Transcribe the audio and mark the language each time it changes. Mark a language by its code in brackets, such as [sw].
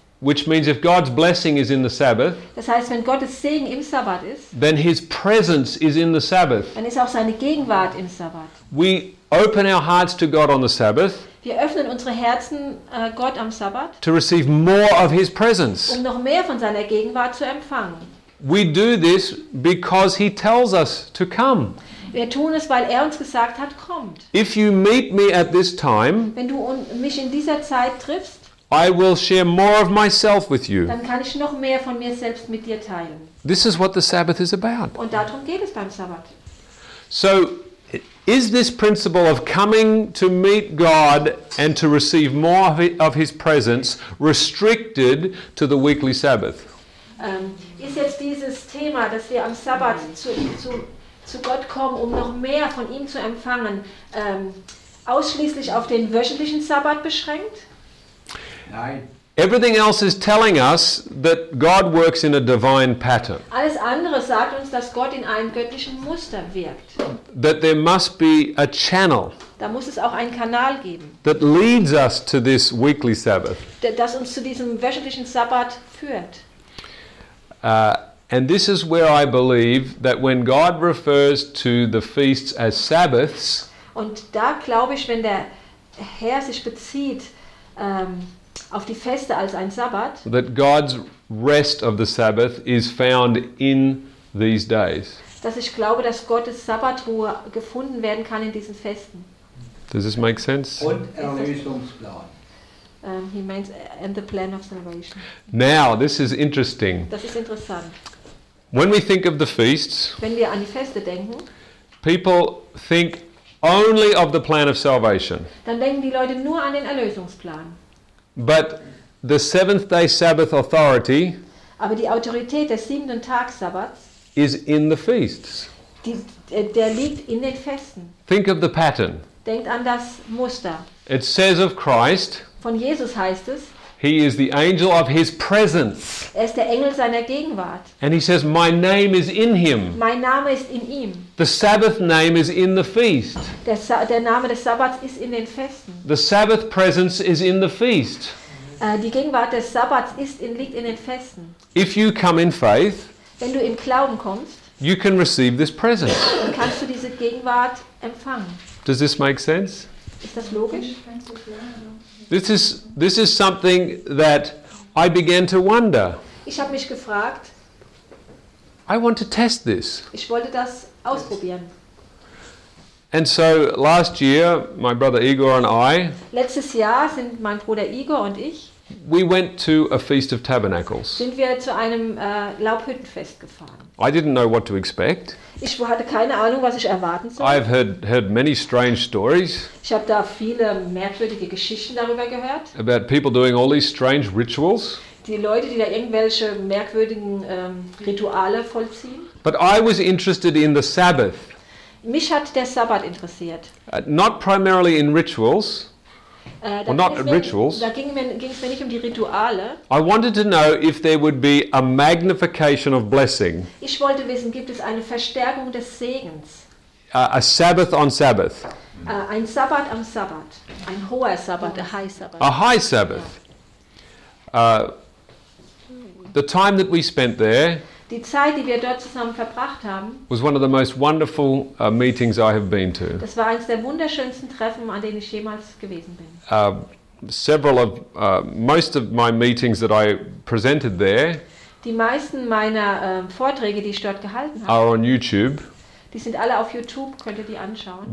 [en] Which means if God's blessing is in the Sabbath, [de] das heißt, wenn Gottes Segen im Sabbat ist, [en] then his presence is in the Sabbath. [de] Dann ist auch seine Gegenwart im Sabbat. [en] We open our hearts to God on the Sabbath. [de] Wir öffnen unsere Herzen Gott am Sabbat. [en] To receive more of his presence. [de] Um noch mehr von seiner Gegenwart zu empfangen. [en] We do this because he tells us to come. [de] Wir tun es, weil er uns gesagt hat, kommt. [en] If you meet me at this time, [de] wenn du mich in dieser Zeit triffst, [en] I will share more of myself with you. [de] Dann kann ich noch mehr von mir selbst mit dir teilen. [en] This is what the Sabbath is about. [de] Und darum geht es beim Sabbat. [en] So, is this principle of coming to meet God and to receive more of his presence restricted to the weekly Sabbath? [de] Ist jetzt dieses Thema, dass wir am Sabbat zu Gott kommen, um noch mehr von ihm zu empfangen, ausschließlich auf den wöchentlichen Sabbat beschränkt? Nein. [en] Everything else is telling us that God works in a divine pattern. [de] Alles andere sagt uns, dass Gott in einem göttlichen Muster wirkt. [en] That there must be a channel. [de] Da muss es auch einen Kanal geben. [en] That leads us to this weekly Sabbath. [de] Das uns zu diesem wöchentlichen Sabbat führt. [en] And this is where I believe that when God refers to the feasts as Sabbaths. [de] Und da glaube ich, wenn der Herr sich bezieht auf die Feste als ein Sabbat. [en] That God's rest of the Sabbath is found in these days. [de] Dass ich glaube, dass Gottes Sabbatruhe gefunden werden kann in diesen Festen. [en] Does this make sense? [de] Und Erlösungsplan. [en] He means and the plan of salvation. Now, this is interesting. [de] Das ist interessant. [en] When we think of the feasts, [de] wenn wir an die Feste denken, [en] people think only of the plan of salvation. [de] Dann denken die Leute nur an den Erlösungsplan. [en] But the seventh day Sabbath authority, [de] aber die Autorität des siebten Tags Sabbats, [en] is in the feasts. [de] Der liegt in den Festen. [en] Think of the pattern. [de] Denkt an das Muster. [en] It says of Christ, [de] von Jesus heißt es, [en] he is the angel of his presence. [de] Er ist der Engel seiner Gegenwart. [en] And he says, my name is in him. [de] Mein Name ist in ihm. [en] The Sabbath name is in the feast. [de] Der Name des Sabbats ist in den Festen. [en] The Sabbath presence is in the feast. [de] Die Gegenwart des Sabbats liegt in den Festen. [en] If you come in faith, [de] wenn du im Glauben kommst, [en] you can receive this presence. [de] Dann kannst du diese Gegenwart empfangen. [en] Does this make sense? [de] Ist das logisch? [en] This is something that I began to wonder. [de] Ich habe mich gefragt. [en] I want to test this. [de] Ich wollte das ausprobieren. [en] And so last year, my brother Igor and I. [de] Letztes Jahr sind mein Bruder Igor und ich. [en] We went to a Feast of Tabernacles. [de] Sind wir zu einem Laubhüttenfest gefahren. [en] I didn't know what to expect. [de] Ich hatte keine Ahnung, was ich erwarten soll. [en] I've heard many strange stories. [de] Ich habe da viele merkwürdige Geschichten darüber gehört. [en] About people doing all these strange rituals. [de] Die Leute, die da irgendwelche merkwürdigen Rituale vollziehen. [en] But I was interested in the Sabbath. [de] Mich hat der Sabbat interessiert. [en] Not primarily in rituals. Well, not rituals. [de] Da ging's mir nicht um die Rituale. [en] I wanted to know if there would be a magnification of blessing. [de] Ich wollte wissen, gibt es eine Verstärkung des Segens? [en] A Sabbath on Sabbath. [de] Ein Sabbat am Sabbat. Ein hoher Sabbat, [en] a high Sabbath. A high Sabbath. The time that we spent there. [de] Die Zeit, die wir dort zusammen verbracht haben. [en] Was one of the most wonderful meetings I have been to. [de] Das war eines der wunderschönsten Treffen, an denen ich jemals gewesen bin. [en] Most of my meetings that I presented there. [de] Die meisten meiner Vorträge, die ich dort gehalten habe. [en] Are on YouTube. [de] Die sind alle auf YouTube, könnt ihr die anschauen.